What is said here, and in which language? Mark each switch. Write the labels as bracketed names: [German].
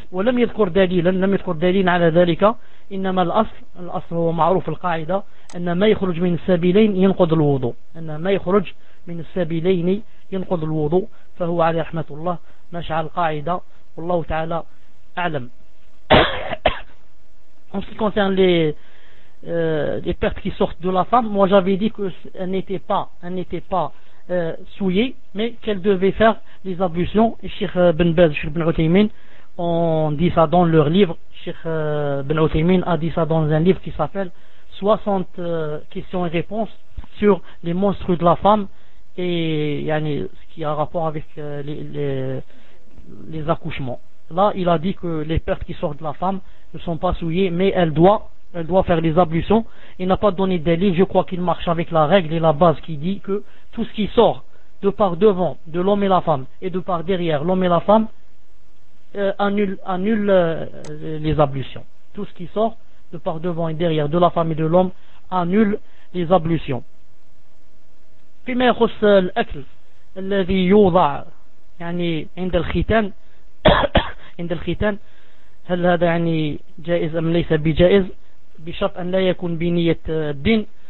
[Arabic] ولم يذكر دليلا، لم يذكر دليلا على ذلك، إنما الأصل هو معروف القاعدة أن ما يخرج من السبيلين ينقض الوضوء، أن ما يخرج من السبيلين ينقض الوضوء، فهو عليه رحمة الله مشى على القاعدة والله تعالى أعلم. [French] En ce qui concerne les pertes qui sortent de la femme, moi j'avais dit qu'elle n'était pas souillée, mais qu'elle devait faire les ablutions. Cheikh Ibn Baz, Cheikh Ibn Uthaymeen ont dit ça dans leur livre. Cheikh Ibn Uthaymeen a dit ça dans un livre qui s'appelle 60 questions et réponses sur les monstres de la femme et yani, ce qui a rapport avec les accouchements. Là, il a dit que les pertes qui sortent de la femme ne sont pas souillées, mais elle doit faire des ablutions. Il n'a pas donné de délit. Je crois qu'il marche avec la règle et la base qui dit que tout ce qui sort de par devant de l'homme et la femme et de par derrière l'homme et la femme annule les ablutions. Tout ce qui sort de par devant et derrière de la femme et de l'homme annule les ablutions. [Arabic] فيما يخص الأكل الذي يوضع يعني عند الختان عند الختان هل هذا يعني جائز أم ليس بجائز بشرط أن لا يكون بنية الدين